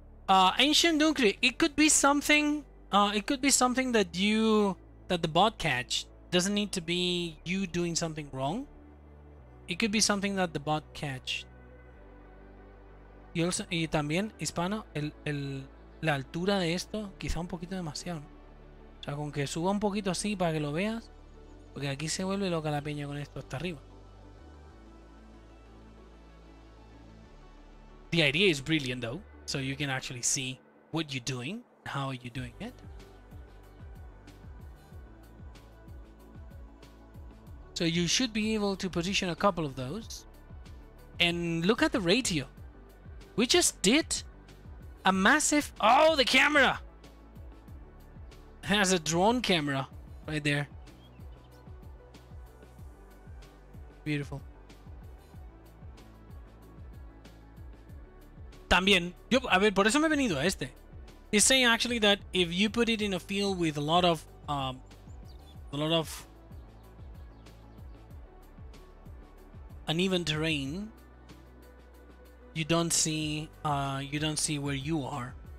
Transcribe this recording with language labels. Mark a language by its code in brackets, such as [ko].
[en] Ancient Dunkri, it could be something that the bot catch doesn't need to be you doing something wrong. It could be something that the bot catch. [es] Y también, hispano, la altura de esto, quizá un poquito demasiado, ¿no? O sea, con que suba un poquito así para que lo veas, porque aquí se vuelve loca la peña con esto hasta arriba. [en] The idea is brilliant though, so you can actually see what you're doing, how you're doing it. So you should be able to position a couple of those. And look at the ratio. We just did a massive. Oh, the camera has a drone camera right there. Beautiful. [es] También, yo, a ver, por eso me he venido a este. [en] He's saying actually that if you put it in a field with a lot of uneven terrain. You don't see where you are.